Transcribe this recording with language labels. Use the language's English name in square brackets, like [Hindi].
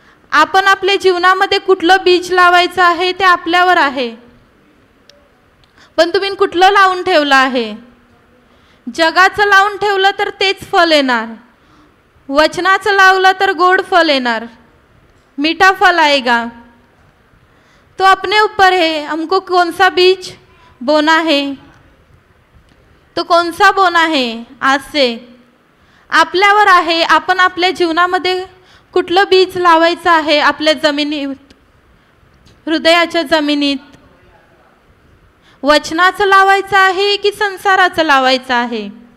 [Marathi] आपण आपल्या जीवनामध्ये कुठलं बीज लावायचं आहे ते आपल्यावर आहे. पण तुम्ही कुठलं लावून ठेवलं आहे? जगाचं लावून ठेवलं तर तेच फल येणार, वचनाचं लावलं तर गोड फल येणार, [Hindi] मीठा फल आएगा. तो अपने ऊपर है, हमको कौन सा बीज बोना है, तो कौन सा बोना है. [Marathi] आज से आपल्यावर आहे, आपण आपल्या जीवनामध्ये कुठलं बीज लावायचं आहे आपल्या जमिनीत, हृदयाच्या जमिनीत. वचनाचं लावायचं आहे की संसाराचं लावायचं आहे?